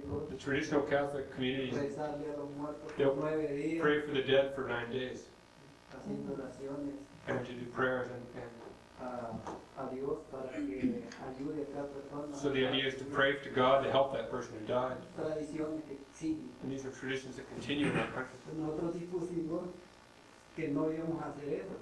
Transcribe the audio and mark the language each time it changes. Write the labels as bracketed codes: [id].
[en] the traditional Catholic communities, they'll pray for the dead for 9 days, and to do prayers and [es] a Dios para que ayude a esa persona. [en] So the idea is to pray to God to help that person who died. [es] Tradiciones que sí. [en] And these are traditions that continue in our practice. [es] Nosotros dispusimos que no íbamos a hacer eso.